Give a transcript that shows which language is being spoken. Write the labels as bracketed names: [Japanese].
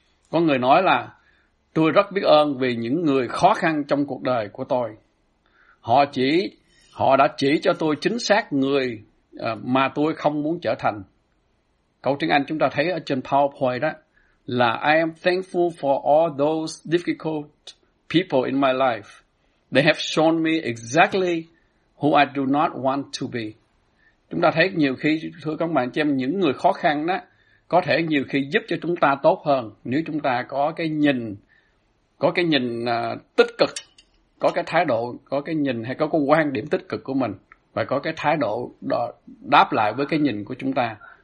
[Vietnamese] Có người nói là tôi rất biết ơn vì những người khó khăn trong cuộc đời của tôi. Họ đã chỉ cho tôi chính xác người mà tôi không muốn trở thành. Câu tiếng Anh chúng ta thấy ở trên PowerPoint đó là [English] I am thankful for all those difficult people in my life. They have shown me exactly who I do not want to be. [Vietnamese] Chúng ta thấy nhiều khi, thưa các bạn chị em, những người khó khăn đó có thể nhiều khi giúp cho chúng ta tốt hơn nếu chúng ta có cái nhìn tích cực, có cái thái độ, có cái nhìn hay có cái quan điểm tích cực của mình và có cái thái độ đó đáp lại với cái nhìn của chúng ta.